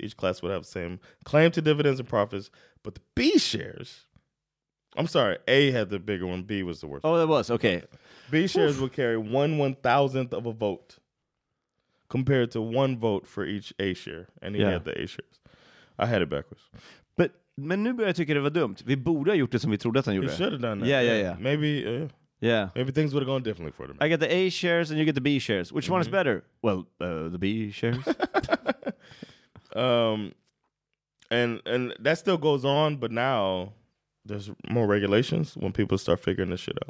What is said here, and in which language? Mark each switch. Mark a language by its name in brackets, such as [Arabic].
[English] Each class would have the same claim to dividends and profits, but the B shares... I'm sorry, A had the bigger one. B was the worst. Oh, it was. Okay. B shares would carry 1/1,000th of a vote compared to one vote for each A share, and he had the A shares. I had it backwards. But... [Swedish] Men nu börjar jag tycka det var dumt. Vi borde ha gjort det som vi trodde att han gjorde. [English] You should have done that. Yeah, yeah, yeah. Maybe, yeah. Maybe things would have gone differently for them. I get the A shares and you get the B shares. Which one is better? Well, the B shares. and that still goes on, but now there's more regulations when people start figuring this shit out.